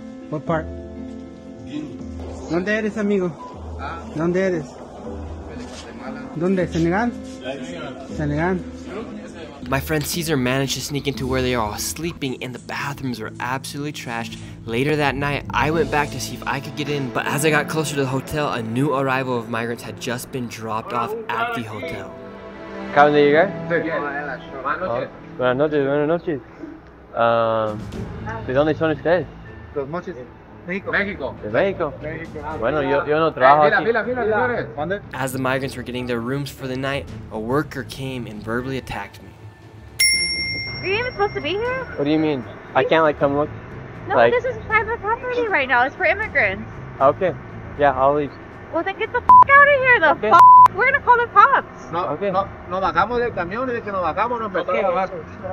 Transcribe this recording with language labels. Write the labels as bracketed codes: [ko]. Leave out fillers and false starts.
[en] What part? [es] ¿Dónde eres, amigo? ¿Dónde eres? ¿Dónde? ¿Senegal? ¿Senegal? [en] My friend Caesar managed to sneak into where they are all sleeping, and the bathrooms were absolutely trashed. Later that night, I went back to see if I could get in, but as I got closer to the hotel, a new arrival of migrants had just been dropped off at the hotel. [es] ¿Cómo de llegar? Buenas noches. Buenas noches, buenas noches. ¿De dónde son ustedes? Los Mochis. México. De México. México. Bueno, yo no trabajo fila, aquí. Fila, fila, fila. [en] As the migrants were getting their rooms for the night, a worker came and verbally attacked me. Are you even supposed to be here? What do you mean? I can't like come look? No, like, this is private property right now. It's for immigrants. Okay. Yeah, I'll leave. Well, then get the f*** out of here, though. Okay. We're gonna call the cops. No, okay. [es] No, bajamos del camión, dice que nos bajamos, nos metemos abajo.